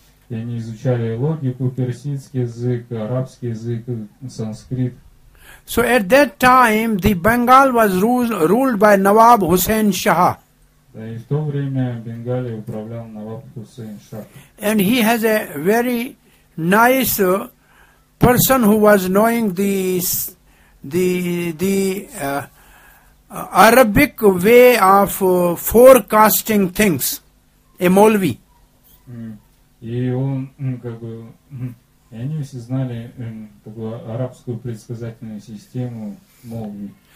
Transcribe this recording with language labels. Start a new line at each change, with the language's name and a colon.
Russian: И они изучали логику, персидский язык, арабский язык, санскрит.
English: So at that time, the Bengal was ruled by Nawab Hussain Shah.
Russian: Да, и в то время Бенгалии управлял Наваб Хусейн Шах.
English: And he has a very nice person who was knowing the Arabic way of forecasting things, a Maulvi.
Russian: И он как бы, и они все знали такую арабскую предсказательную систему Молви.